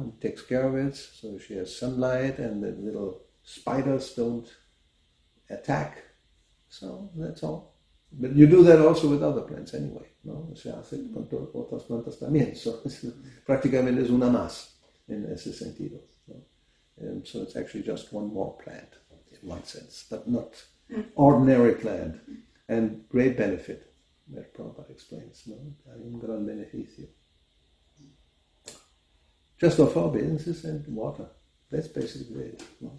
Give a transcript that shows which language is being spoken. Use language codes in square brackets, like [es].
[en] And takes care of it, so she has sunlight and the little spiders don't attack. So that's all. But you do that also with other plants anyway, [es] ¿no? Se hace con otras plantas también, so prácticamente es una más en ese sentido. [en] So it's actually just one more plant, in one sense, but not ordinary plant. And great benefit, that Prabhupada explains, no? [es] Hay un gran beneficio. [en] Just offer obeisances and water. That's basically it. No?